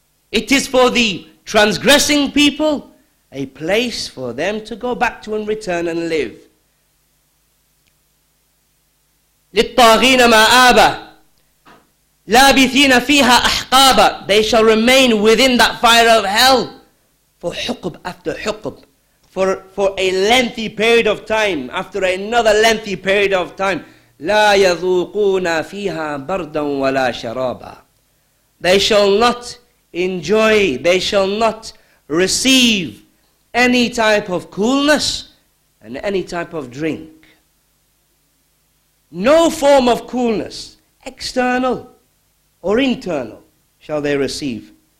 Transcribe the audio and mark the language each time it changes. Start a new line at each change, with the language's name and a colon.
English: It is for the transgressing people, a place for them to go back to and return and live.
Arabic: لِلطَّاغِينَ مَآبًا. لَابِثِينَ فِيهَا أَحْقَابًا.
English: They shall remain within that fire of hell for حُقُب after حُقُب. For a lengthy period of time, after another lengthy period of time.
Arabic: لا يذوقون فيها بردا ولا شرابا.
English: They shall not enjoy, they shall not receive any type of coolness and any type of drink. No form of coolness, external or internal, shall they receive.